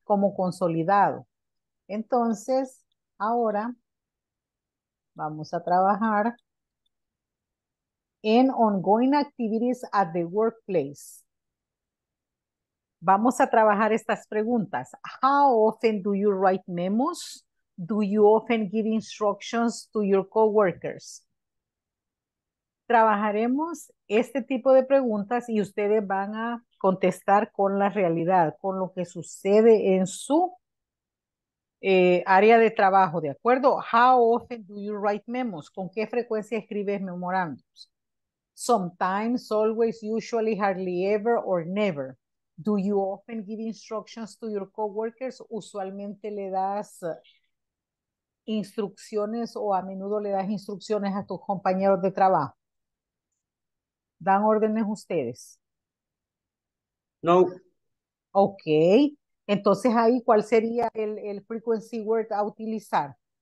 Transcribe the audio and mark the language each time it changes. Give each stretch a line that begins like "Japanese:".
Spanish: Como consolidado. Entonces, ahora vamos a trabajar en
English: ongoing activities at the workplace.
Spanish: Vamos a trabajar estas preguntas.
English: How often do you write memos? Do you often give instructions to your coworkers?
Spanish: Trabajaremos este tipo de preguntas y ustedes van a contestar con la realidad, con lo que sucede en su área de trabajo, ¿de acuerdo?
English: How often do you write memos?
Spanish: ¿Con qué frecuencia escribes memorándums?
English: Sometimes, always, usually, hardly ever, or never. Do you often give instructions to your coworkers?
Spanish: ¿Usualmente le das instrucciones o a menudo le das instrucciones a tus compañeros de trabajo? ¿Dan órdenes ustedes? No.
English: Ok.
Spanish: Entonces ahí, ¿cuál sería el
English: frequency word
Spanish: a utilizar?